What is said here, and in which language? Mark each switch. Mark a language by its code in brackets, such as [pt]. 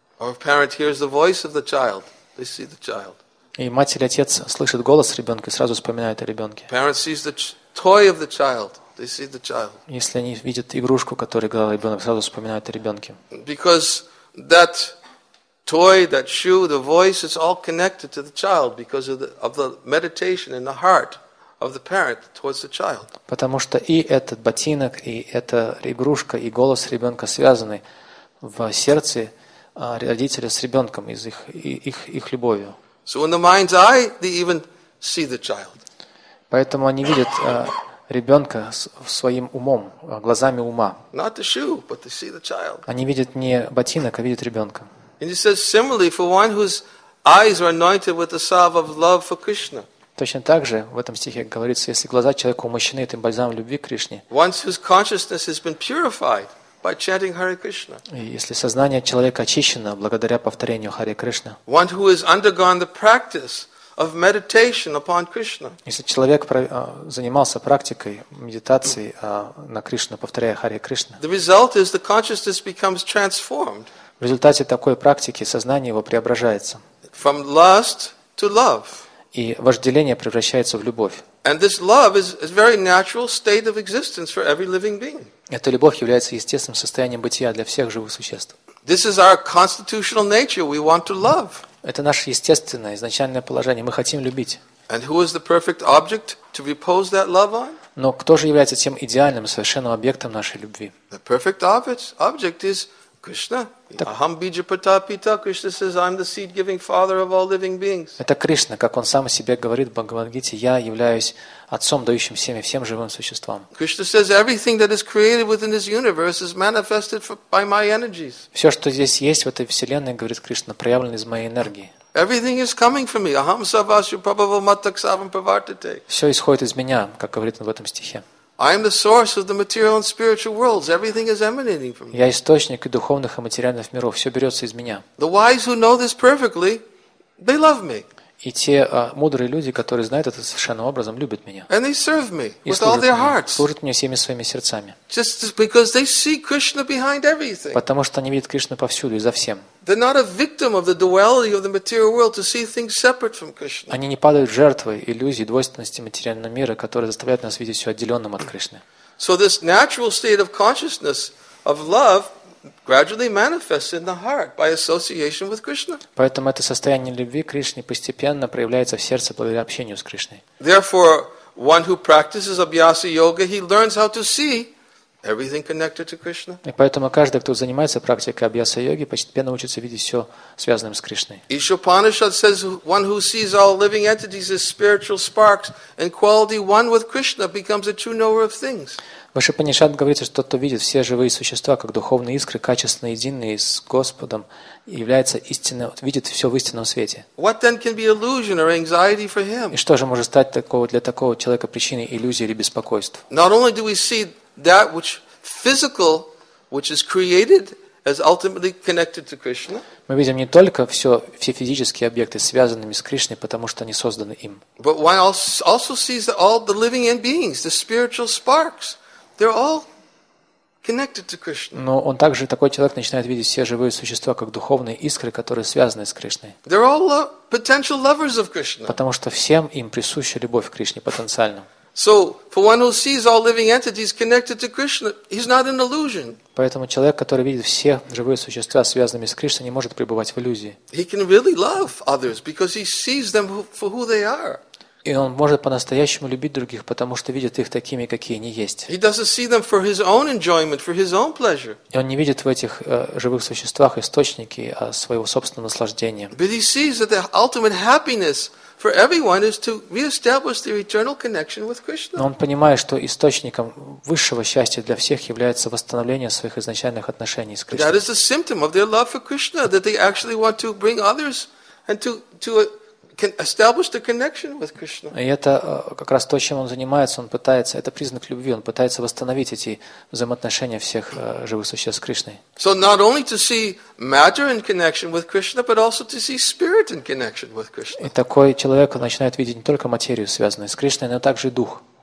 [en] Or if a parent hears the voice of the child, they see the child. [ru] И мать или отец слышит голос ребенка и сразу вспоминает о ребенке. [en] Parent sees the toy of the child, they see the child. [ru] Если они видят игрушку, которую играл ребенок, сразу вспоминают о ребенке. [en] Because that toy, that shoe, the voice is all connected to the child because of the meditation in the heart of the parent towards the child. [ru] Потому что и этот ботинок, и эта игрушка, и голос ребенка связаны в сердце родителя с ребенком из их любовью. [en] So in the mind's eye, they even see the child. [ru] Поэтому они видят ребенка своим умом, глазами ума. [en] Not the shoe, but they see the child. [ru] Они видят не ботинок, а видят ребенка. [en] And he says similarly for one whose eyes are anointed with the salve of love for Krishna. [ru] Точно так же в этом стихе говорится, если глаза человека умощены этим бальзамом любви к Кришне. [en] Once whose consciousness has been purified by chanting Hare Krishna. [ru] И если сознание человека очищено благодаря повторению Харе Кришна. [en] One who has undergone the practice of meditation upon Krishna. [ru] Если человек занимался практикой медитации на Кришну, повторяя Харе Кришна. [en] The result is the consciousness becomes transformed. [ru] В результате такой практики сознание его преображается. [en] From lust to love. [ru] И вожделение превращается в любовь. [en] And this love is a very natural state of existence for every living being. [ru] Эта любовь является естественным состоянием бытия для всех живых существ. [en] This is our constitutional nature. We want to love. [ru] Это наше естественное, изначальное положение. Мы хотим любить. [en] And who is the perfect object to repose that love on? [ru] Но кто же является тем идеальным, совершенным объектом нашей любви? [en] The perfect object is Krishna. [sa] Aham bija pata pita. [en] Krishna says, I'm the seed-giving father of all living beings. [ru] Это Кришна, как он сам о себе говорит в Бхагавад-гите, я являюсь отцом, дающим семя всем живым существам. [en] Krishna says, everything that is created within this universe is manifested by my energies. [ru] Все, что здесь есть в этой вселенной, говорит Кришна, проявлено из моей энергии. [en] Everything is coming from me. [sa] Aham savasya prabhava mataksavam pravartate. [ru] Все исходит из меня, как говорит он в этом стихе. [en] I am the source of the material and spiritual worlds. Everything is emanating from me. [ru] Я источник и духовных и материальных миров. Все берется из меня. [en] The wise who know this perfectly, they love me. [ru] И те мудрые люди, которые знают это совершенным образом, любят меня. [en] And they serve me with all their hearts. [ru] Служат мне всеми своими сердцами. [en] Just because they see Krishna behind everything. [ru] Потому что они видят Кришну повсюду и за всем. [en] They're not a victim of the duality of the material world to see things separate from Krishna. [ru] Они не падают жертвой иллюзии двойственности материального мира, которая заставляет нас видеть все отделенным от Кришны. [en] So this natural state of consciousness of love gradually manifests in the heart by association with Krishna. [ru] Поэтому это состояние любви к Кришне постепенно проявляется в сердце благодаря общению с Кришной. [en] Therefore, one who practices Abhyasa Yoga, he learns how to see everything connected to Krishna. [ru] И поэтому каждый, кто занимается практикой Абьяса Йоги, постепенно учится видеть все связанным с Кришной. [en] Isha Upanishad says one who sees all living entities as spiritual sparks and quality one with Krishna becomes a true knower of things. [ru] В Isha Upanishad говорится, что тот, кто видит все живые существа как духовные искры, качественно единые с Господом, является истинным, видит все в истинном свете. [en] What then can be illusion or anxiety for him? [ru] И что же может стать такого для такого человека причиной иллюзии или беспокойства? [en] Not only do we see that which physical, which is created, as ultimately connected to Krishna. [ru] Мы видим не только все физические объекты, связанными с Кришной, потому что они созданы им. [en] But one also sees that all the living beings, the spiritual sparks, they're all connected to Krishna. [ru] Но он также, такой человек, начинает видеть все живые существа как духовные искры, которые связаны с Кришной. [en] They're all potential lovers of Krishna. [ru] Потому что всем им присуща любовь к Кришне потенциально. [en] So, for one who sees all living entities connected to Krishna, he's not an illusion. [ru] Поэтому человек, который видит все живые существа, связанными с Кришной, не может пребывать в иллюзии. [en] He can really love others because he sees them for who they are. [ru] И он может по-настоящему любить других, потому что видит их такими, какие они есть. [en] He doesn't see them for his own enjoyment, for his own pleasure. [ru] И он не видит в этих живых существах источники своего собственного наслаждения. [en] But he sees that the ultimate happiness for everyone is to reestablish their eternal connection with Krishna. [ru] Но он понимает, что источником высшего счастья для всех является восстановление своих изначальных отношений с Кришной. [en] That is a symptom of their love for Krishna, that they actually want to bring others and to establish the connection with Krishna. [ru] И это как раз то, чем он занимается. Он пытается, это признак любви. Он пытается восстановить эти взаимоотношения всех живых существ с Кришной. [en] So not only to see matter in connection with Krishna, but also to see spirit in connection with Krishna. [ru] И такой человек начинает видеть не только материю, связанную с Кришной, но также и дух.